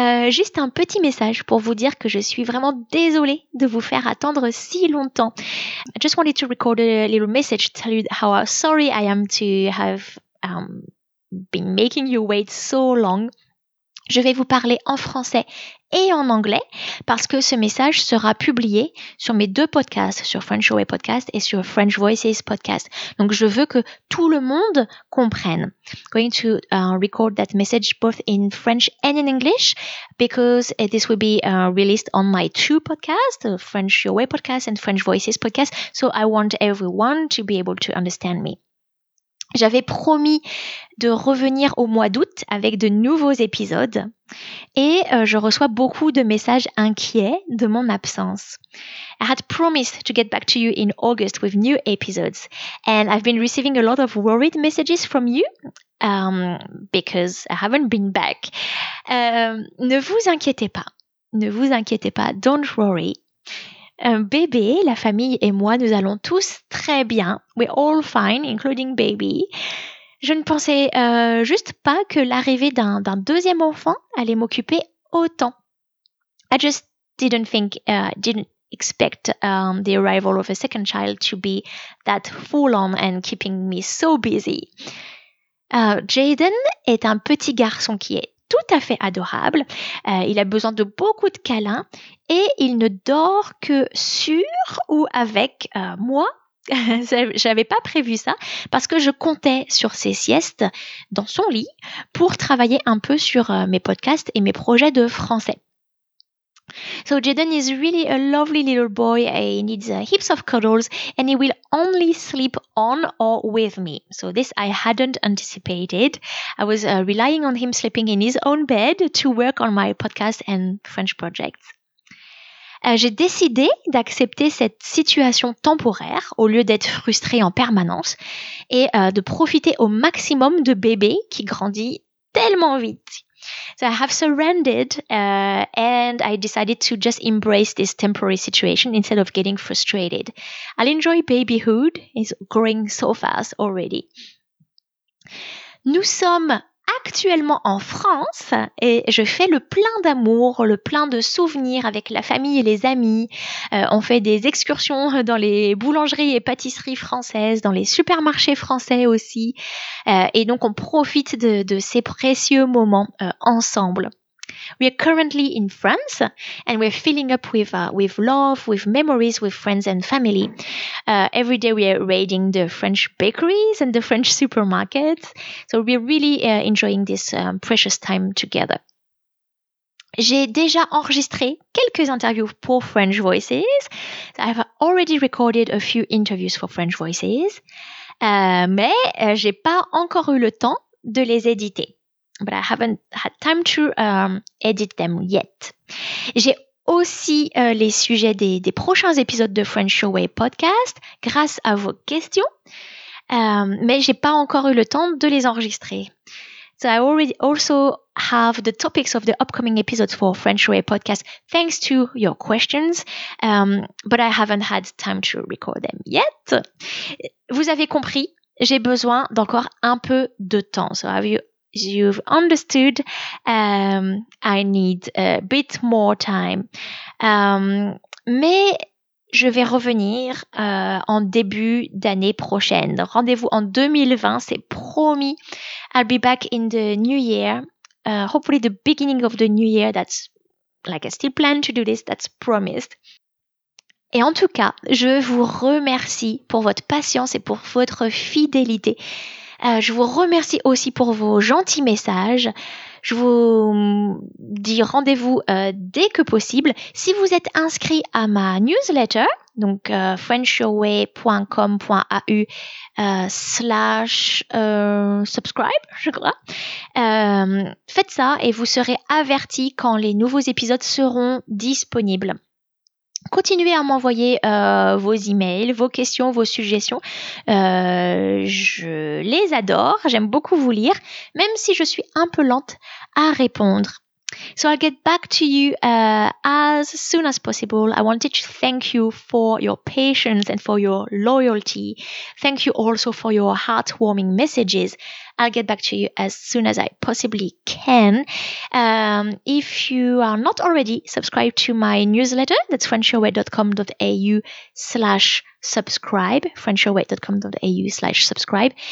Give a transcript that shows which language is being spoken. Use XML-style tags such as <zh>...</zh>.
<fr>Juste un petit message pour vous dire que je suis vraiment désolée de vous faire attendre si longtemps.</fr> <en>I just wanted to record a little message to tell you how sorry I am to have been making you wait so long.</en> <fr>Je vais vous parler en français et en anglais parce que ce message sera publié sur mes deux podcasts, sur French Away Podcast et sur French Voices Podcast. Donc, je veux que tout le monde comprenne.</fr> <en>Going to record that message both in French and in English because this will be released on my two podcasts, French Away Podcast and French Voices Podcast. So, I want everyone to be able to understand me.</en> <fr>J'avais promis de revenir au mois d'août avec de nouveaux épisodes et je reçois beaucoup de messages inquiets de mon absence.</fr> <en>I had promised to get back to you in August with new episodes and I've been receiving a lot of worried messages from you because I haven't been back.</en> <fr>Ne vous inquiétez pas,</fr> <en>don't worry.</en> <fr>Bébé, la famille et moi, nous allons tous très bien.</fr> <en>We're all fine, including baby.</en> <fr>Je ne pensais juste pas que l'arrivée d'un deuxième enfant allait m'occuper autant.</fr> <en>I just didn't expect the arrival of a second child to be that full on and keeping me so busy.</en> <fr>Jaden est un petit garçon qui est tout à fait adorable. Il a besoin de beaucoup de câlins et il ne dort que sur ou avec moi. J'avais pas prévu ça parce que je comptais sur ses siestes dans son lit pour travailler un peu sur mes podcasts et mes projets de français.</fr> <en>So Jaden is really a lovely little boy. He needs heaps of cuddles and he will only sleep on or with me. So this I hadn't anticipated. I was relying on him sleeping in his own bed to work on my podcast and French projects.</en> <fr>J'ai décidé d'accepter cette situation temporaire au lieu d'être frustrée en permanence et de profiter au maximum de bébé qui grandit tellement vite.</fr> <en>So I have surrendered and I decided to just embrace this temporary situation instead of getting frustrated. I'll enjoy babyhood. It's growing so fast already.</en> <fr>Nous sommes actuellement en France et je fais le plein d'amour, le plein de souvenirs avec la famille et les amis. On fait des excursions dans les boulangeries et pâtisseries françaises, dans les supermarchés français aussi. Et donc, on profite de ces précieux moments ensemble.</fr> <en>We are currently in France and we're filling up with love, with memories, with friends and family. Every day we are raiding the French bakeries and the French supermarkets. So we're really enjoying this precious time together.</en> <fr>J'ai déjà enregistré quelques interviews pour French Voices.</fr> <en>I've already recorded a few interviews for French Voices.</en> <fr>Mais j'ai pas encore eu le temps de les éditer.</fr> <en>But I haven't had time to edit them yet.</en> <fr>J'ai aussi les sujets des prochains épisodes de French Away Podcast grâce à vos questions, mais j'ai pas encore eu le temps de les enregistrer.</fr> <en>So I already also have the topics of the upcoming episodes for French Away Podcast thanks to your questions, but I haven't had time to record them yet.</en> <fr>Vous avez compris, j'ai besoin d'encore un peu de temps.</fr> <en>So have you? You've understood, I need a bit more time.</en> <fr>Mais je vais revenir en début d'année prochaine. Rendez-vous en 2020, c'est promis.</fr> <en>I'll be back in the new year. Hopefully the beginning of the new year. That's like I still plan to do this. That's promised.</en> <fr>Et en tout cas, je vous remercie pour votre patience et pour votre fidélité. Je vous remercie aussi pour vos gentils messages. Je vous dis rendez-vous dès que possible. Si vous êtes inscrit à ma newsletter, donc frenchaway.com.au/subscribe, je crois. Faites ça et vous serez averti quand les nouveaux épisodes seront disponibles. Continuez à m'envoyer vos emails, vos questions, vos suggestions. Je les adore, j'aime beaucoup vous lire, même si je suis un peu lente à répondre.</fr> <en>So I'll get back to you as soon as possible. I wanted to thank you for your patience and for your loyalty. Thank you also for your heartwarming messages. I'll get back to you as soon as I possibly can. If you are not already subscribed to my newsletter, that's frenchaway.com.au/subscribe, frenchaway.com.au/subscribe.</en>